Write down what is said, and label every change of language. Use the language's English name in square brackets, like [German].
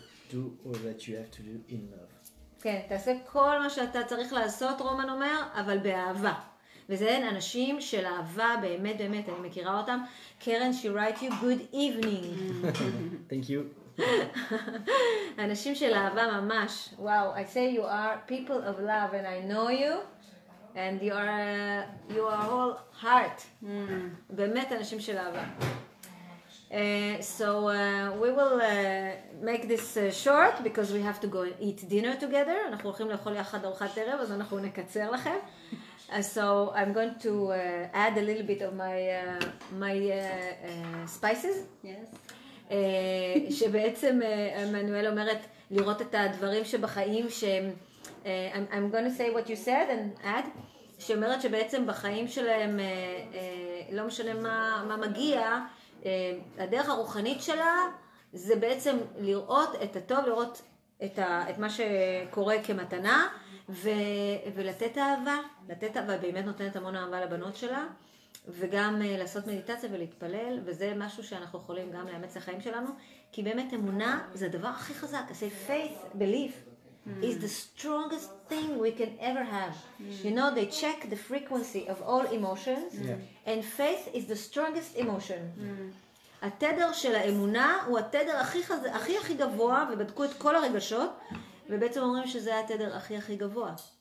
[English] do all that you have to do in love. [Hebrew] כן, תעשה כל מה שאתה צריך לעשות, רומן אומר, אבל באהבה. וזה אין אנשים של אהבה, באמת, באמת, אני מכירה אותם. [English] קרן, she write you good evening. Thank you. [Hebrew] אנשים של אהבה ממש. [English] Wow, I say you are people of love and I know you. And you are all heart. [Hebrew] באמת אנשים של אהבה. [English] So we will make this short because we have to go eat dinner together. [Hebrew] אנחנו הולכים לאכול יחד ארוחת ערב, אז אנחנו נקצר לכם. [English] So I'm going to add a little bit of my spices. Yes. [Hebrew] שבעצם אמנואל אומרת לראות את הדברים שבחיים שהם [English] I'm going to say what you said and add. [Hebrew] שאומרת שבעצם בחיים שלהם לא משנה מה מגיע, הדרך הרוחנית שלה זה בעצם לראות את הטוב, לראות את מה שקורה כמתנה, ולתת אהבה, לתת אהבה, באמת נותנת המון אהבה לבנות שלה, וגם לעשות מדיטציה ולהתפלל, וזה משהו שאנחנו יכולים גם לאמץ לחיים שלנו, כי באמת אמונה זה הדבר הכי חזק, [English] say faith, belief. Mm-hmm. is the strongest thing we can ever have. Mm-hmm. You know, they check the frequency of all emotions, yeah. and faith is the strongest emotion. Mm-hmm. [Hebrew] התדר של האמונה הוא התדר הכי, הכי הכי גבוה, ובדקו את כל הרגשות, ובעצם אומרים שזה התדר הכי הכי גבוה.